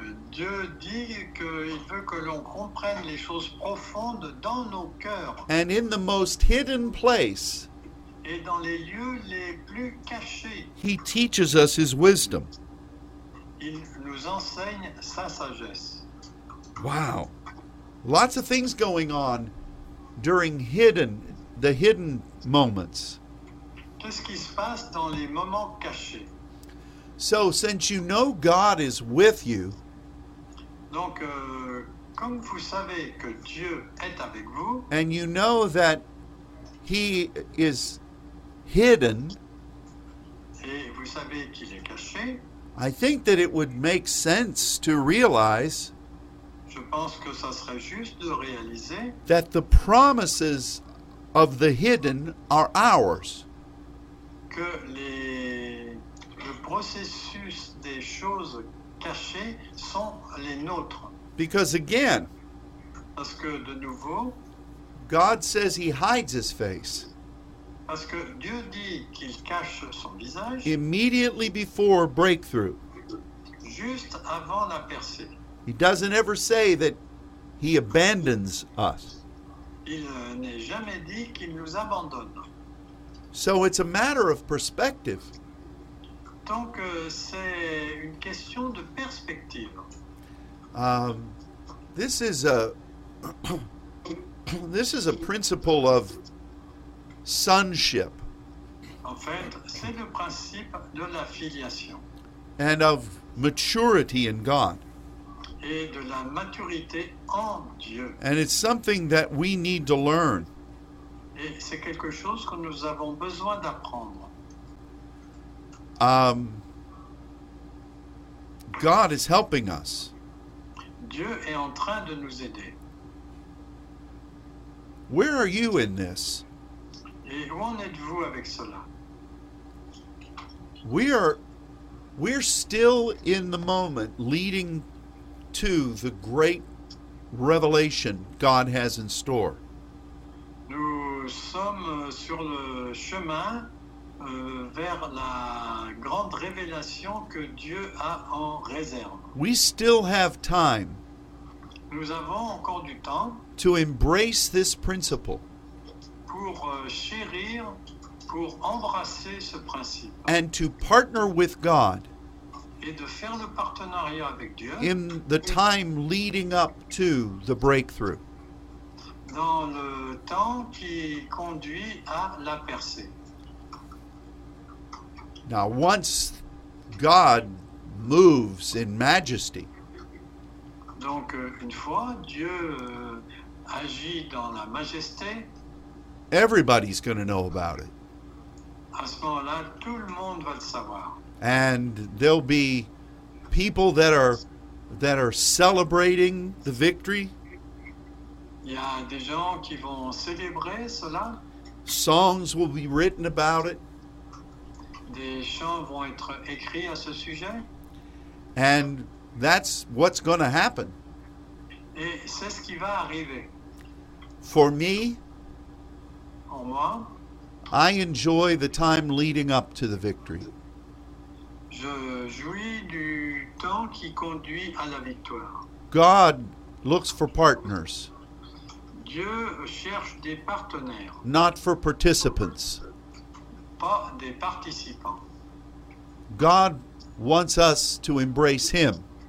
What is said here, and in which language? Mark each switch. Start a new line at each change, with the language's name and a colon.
French: Dieu dit qu'il veut que l'on comprenne les choses profondes dans nos cœurs.
English: And in the most hidden place,
French: et dans les lieux les plus cachés,
English: he teaches us his wisdom.
French: Il nous enseigne sa sagesse.
English: Wow. Lots of things going on during the hidden moments.
French: Qu'est-ce qui se passe dans les moments cachés?
English: So since you know God is with you,
French: donc comme vous savez que Dieu est avec vous,
English: and you know that he is hidden,
French: et vous savez qu'il est caché,
English: I think that it would make sense to realize,
French: je pense que ça serait juste de réaliser,
English: that the promises of the hidden are ours.
French: Que le processus des choses cachées sont les nôtres.
English: Because again,
French: parce que de nouveau,
English: God says he hides his face.
French: Parce que Dieu dit qu'il cache son visage.
English: Immediately before breakthrough.
French: Juste avant la percée.
English: He doesn't ever say that he abandons us.
French: Il n'est jamais dit qu'il nous abandonne.
English: So it's a matter of perspective.
French: Donc c'est une question de perspective.
English: This is a this is a principle of sonship.
French: En fait, c'est le principe de la filiation.
English: And of maturity in God.
French: Et de la maturité en Dieu.
English: And it's something that we need to learn.
French: Et c'est quelque chose que nous avons besoin d'apprendre.
English: God is helping us.
French: Dieu est en train de nous aider.
English: Where are you in this?
French: Et où en êtes-vous avec cela?
English: We're still in the moment leading to the great revelation God has in store.
French: Nous sommes sur le chemin vers la grande révélation que Dieu a en réserve.
English: We still have time.
French: Nous avons encore du temps
English: to embrace this principle.
French: Pour chérir, pour embrasser ce principe.
English: And to partner with God.
French: Et de faire le partenariat avec Dieu.
English: In the time leading up to the breakthrough.
French: Dans le temps qui conduit à la percée.
English: Now, once God moves in majesty,
French: donc une fois Dieu agit dans la majesté,
English: everybody's going to know about it.
French: À ce moment-là, tout le monde va le savoir.
English: And there'll be people that are celebrating the victory.
French: Il y a des gens qui vont célébrer cela.
English: Songs will be written about it.
French: Des chants vont être écrits à ce sujet.
English: And that's what's going to happen.
French: Et c'est ce qui va arriver.
English: For me,
French: pour moi,
English: I enjoy the time leading up to the victory.
French: Je jouis du temps qui conduit à la victoire.
English: God looks for partners.
French: Dieu cherche des partenaires.
English: Not for participants.
French: Pas des participants.
English: God wants us to embrace him.